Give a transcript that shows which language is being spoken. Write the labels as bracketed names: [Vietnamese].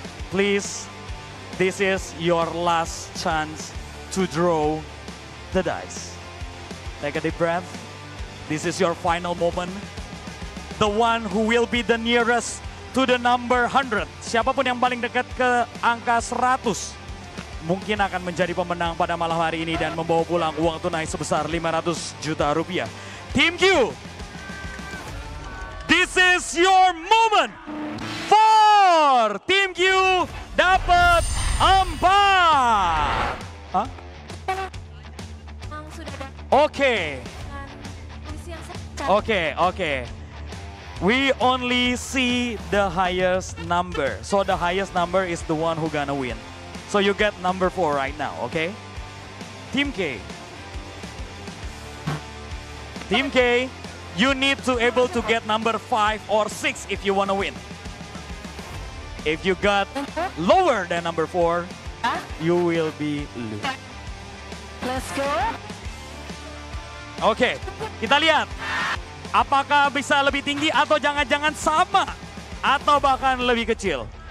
[English] Please, this is your last chance to draw the dice. Take a deep breath. This is your final moment. The one who will be the nearest to the number 100. [Indonesian] Siapapun yang paling dekat ke angka 100. Mungkin akan menjadi pemenang pada malam hari ini. Dan membawa pulang uang tunai sebesar 500 juta rupiah. Team Q. [English] This is your moment. Four, Team Q [Indonesian] dapat [English] 4. Oke. Oke, oke. We only see the highest number. So the highest number is the one who gonna win. So you get number 4 right now, okay? Team K. Team K, you need to able to get number 5 or 6 if you wanna win. If you got lower than number 4, you will be lose. Let's go. [Indonesian] Okay, kita lihat. Apakah bisa lebih tinggi atau jangan-jangan sama? Atau bahkan lebih kecil?